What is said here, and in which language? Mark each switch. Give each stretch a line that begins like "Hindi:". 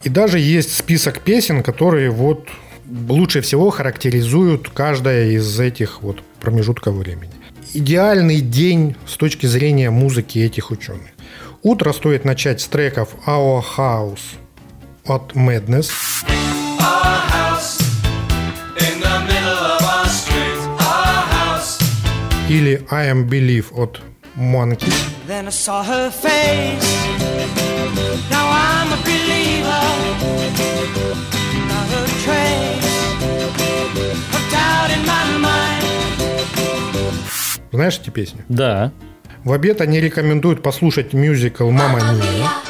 Russian: И даже есть список песен, которые вот лучше всего характеризуют каждое из этих вот промежутков времени. Идеальный день с точки зрения музыки этих ученых. Утро стоит начать с треков Our House от Madness.
English: Our house, in the middle of our street, our house. Или I Am Belief от Monkees. Then I saw her face. Now I'm a believer. Not a trace of doubt in my mind.
Russian: Знаешь эти песни? Да. В обед они рекомендуют послушать мюзикл «Мама Мия».